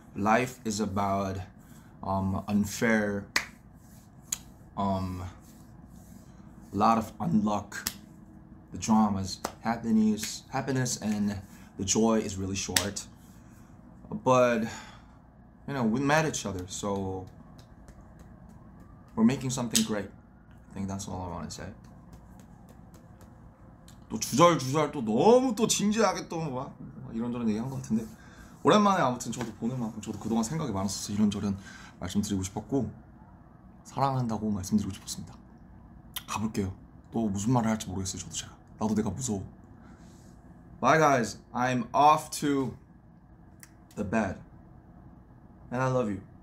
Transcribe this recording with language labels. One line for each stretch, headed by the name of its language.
English: Life is about unfair, lot of unluck, the dramas, happiness, and the joy is really short. But, we met each other, so we're making something great. I think that's all I want to say.
Korean: 또 주절주절 또 너무 또 진지하게 또막 이런저런 얘기한 것 같은데 오랜만에 아무튼 저도 보는 만큼 저도 그동안 생각이 많았어서 이런저런 말씀드리고 싶었고 사랑한다고 말씀드리고 싶었습니다. 가볼게요. 또 무슨 말을 할지 모르겠어요. 저도 제가 나도 내가 무서워.
English: Bye guys, I'm off to the bed, and I love you.